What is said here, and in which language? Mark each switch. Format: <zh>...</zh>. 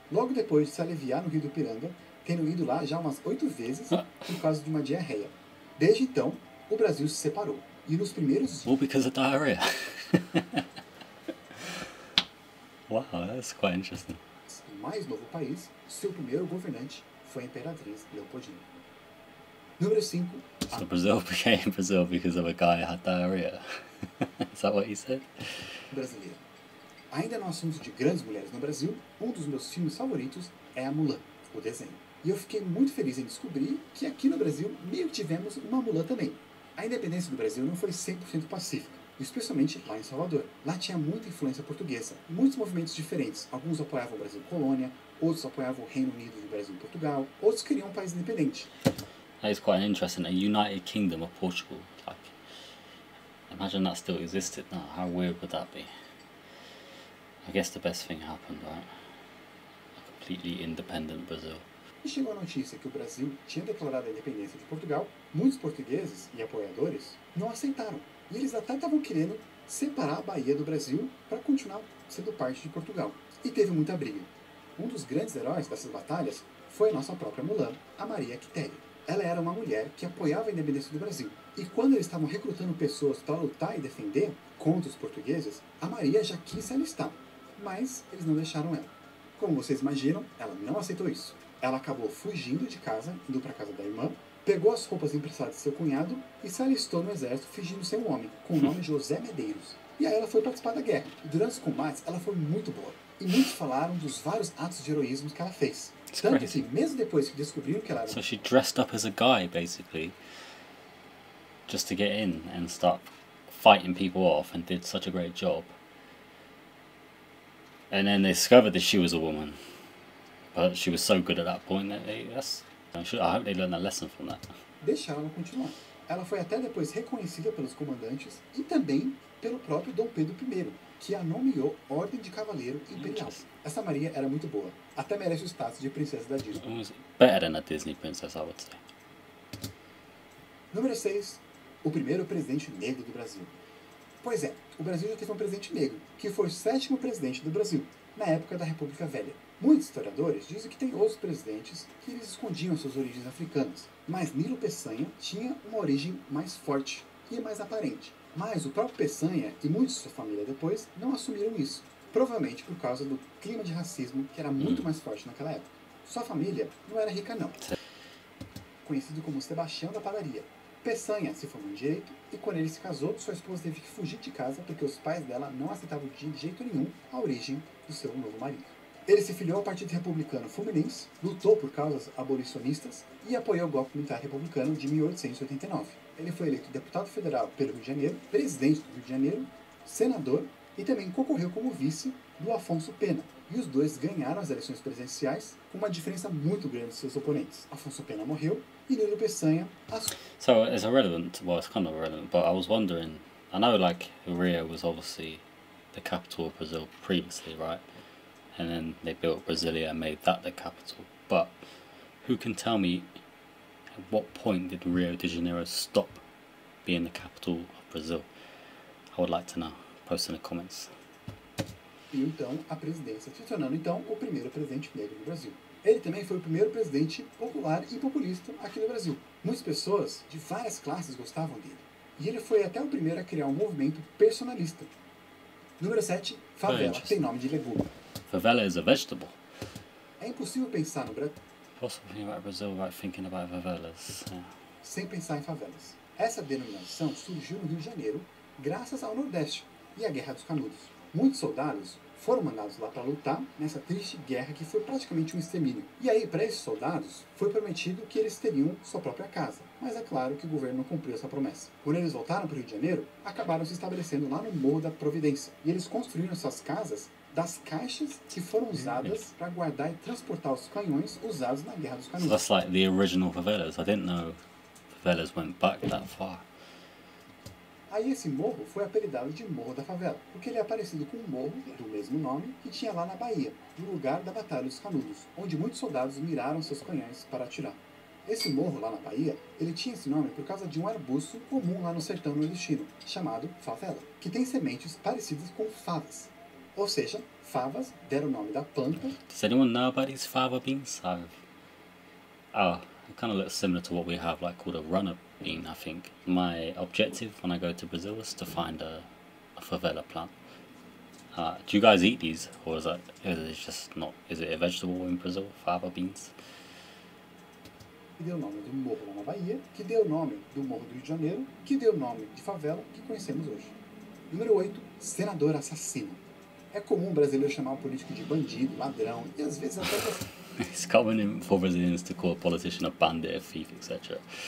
<pt>Logo depois de se aliviar no Rio do Ipiranga, tendo ido lá já umas 8 vezes por causa de uma diarreia. Desde então, o Brasil se separou. E nos primeiros dias...</pt> <en>Well, because of diarrhea. Wow, that's quite interesting.</en> <pt>Mais novo país, seu primeiro governante foi a Imperatriz Leopoldina. Número 5.</pt> <en>So Brazil became Brazil because of a guy who had diarrhea. Is that what you said?</en> <pt>Brasileiro. Ainda no assunto de grandes mulheres no Brasil, um dos meus filmes favoritos é a Mulan, o desenho. E eu fiquei muito feliz em descobrir que aqui no Brasil meio que tivemos uma Mulan também. A independência do Brasil não foi 100% pacífica. Especialmente lá em Salvador. Lá tinha muita influência portuguesa, muitos movimentos diferentes. Alguns apoiavam o Brasil colônia, outros apoiavam o Reino Unido e o Brasil Portugal, outros queriam um país independente.</pt> <en>That is quite interesting, a United Kingdom of Portugal. Like, imagine that still existed now, how weird would that be? I guess the best thing happened, right? A completely independent Brazil.</en> <pt>E chegou a notícia que o Brasil tinha declarado a independência de Portugal, muitos portugueses e apoiadores não aceitaram. E eles até estavam querendo separar a Bahia do Brasil para continuar sendo parte de Portugal. E teve muita briga. Um dos grandes heróis dessas batalhas foi a nossa própria Mulan, a Maria Quitéria. Ela era uma mulher que apoiava a independência do Brasil. E quando eles estavam recrutando pessoas para lutar e defender contra os portugueses, a Maria já quis se alistar. Mas eles não deixaram ela. Como vocês imaginam, ela não aceitou isso. Ela acabou fugindo de casa, indo para casa da irmã, pegou as roupas emprestadas de seu cunhado e se alistou no exército fingindo ser um homem, com o nome José Medeiros. E aí ela foi participar da guerra. E durante os combates, ela foi muito boa. E muitos falaram dos vários atos de heroísmo que ela fez.</pt> <en>It's tanto crazy.</en> <pt>Que, mesmo depois que descobriram que ela era...</pt> <en>So she dressed up as a guy, basically, just to get in and start fighting people off and did such a great job. And then they discovered that she was a woman. But she was so good at that point that they... That's... I hope they learn a lesson from that.</en> <pt>Deixa ela continuar. Ela foi até depois reconhecida pelos comandantes e também pelo próprio Dom Pedro I, que a nomeou Ordem de Cavaleiro Imperial. Essa Maria era muito boa. Até merece o status de princesa da Disney.</pt> <en>Was better than a Disney princess, I would say.</en> <pt>Número 6. O primeiro presidente negro do Brasil. Pois é, o Brasil já teve um presidente negro, que foi o 7º presidente do Brasil, na época da República Velha. Muitos historiadores dizem que tem outros presidentes que eles escondiam suas origens africanas. Mas Nilo Peçanha tinha uma origem mais forte e mais aparente. Mas o próprio Peçanha e muitos de sua família depois não assumiram isso. Provavelmente por causa do clima de racismo que era muito mais forte naquela época. Sua família não era rica não. Conhecido como Sebastião da Padaria. Peçanha se formou em direito e quando ele se casou, sua esposa teve que fugir de casa porque os pais dela não aceitavam de jeito nenhum a origem do seu novo marido. Ele se filiou ao Partido Republicano Fluminense, lutou por causas abolicionistas e apoiou o golpe militar republicano de 1889. Ele foi eleito deputado federal pelo Rio de Janeiro, presidente do Rio de Janeiro, senador e também concorreu como vice do Afonso Pena. E os dois ganharam as eleições presidenciais com uma diferença muito grande de seus oponentes. Afonso Pena morreu e Nilo Peçanha assumiu.</pt> <en>So, it's irrelevant, well, it's kind of irrelevant, but I was wondering, I know like Rio was obviously the capital of Brazil previously, right? And then they built Brasilia and made that the capital. But who can tell me at what point did Rio de Janeiro stop being the capital of Brazil? I would like to know. Post in the comments.</en> <pt>E então, a presidência se tornando então o primeiro presidente negro do Brasil. Ele também foi o primeiro presidente popular e populista aqui no Brasil. Muitas pessoas de várias classes gostavam dele. E ele foi até o primeiro a criar um movimento personalista. Número 7. Favela tem nome de legume.</pt> <en>Favela is a vegetable.</en> <pt>É impossível pensar no Brasil.</pt> <en>Possible thinking about Brazil without thinking about favelas.</en> <pt>Sem pensar em favelas. Essa denominação surgiu no Rio de Janeiro graças ao Nordeste e à Guerra dos Canudos. Muitos soldados foram mandados lá para lutar nessa triste guerra que foi praticamente um extermínio. E aí, para esses soldados, foi prometido que eles teriam sua própria casa. Mas é claro que o governo não cumpriu essa promessa. Quando eles voltaram para o Rio de Janeiro, acabaram se estabelecendo lá no Morro da Providência. E eles construíram suas casas das caixas que foram usadas para guardar e transportar os canhões usados na Guerra dos Canudos.</pt> <en>So that's like the original favelas. I didn't know favelas went back that far.</en> <pt>Aí esse morro foi apelidado de Morro da Favela, porque ele é parecido com um morro do mesmo nome que tinha lá na Bahia, no lugar da Batalha dos Canudos, onde muitos soldados miraram seus canhões para atirar. Esse morro lá na Bahia, ele tinha esse nome por causa de um arbusto comum lá no sertão nordestino, chamado favela, que tem sementes parecidas com favas. Ou seja, favas deram o nome da planta.</pt> <en>Does anyone know about these fava beans? It kind of looks similar to what we have, like called a runner bean, I think. My objective when I go to Brazil is to find a favela plant. Do you guys eat these, or is it a vegetable in Brazil, fava beans?</en> <pt>Que deu nome do morro lá na Bahia, que deu nome do morro do Rio de Janeiro, que deu nome de favela que conhecemos hoje. Número 8, senador assassino. É comum o brasileiro chamar o político de bandido, ladrão, e às vezes até...</pt> <en>It's common for Brazilians to call a politician a bandit, a thief, etc.</en>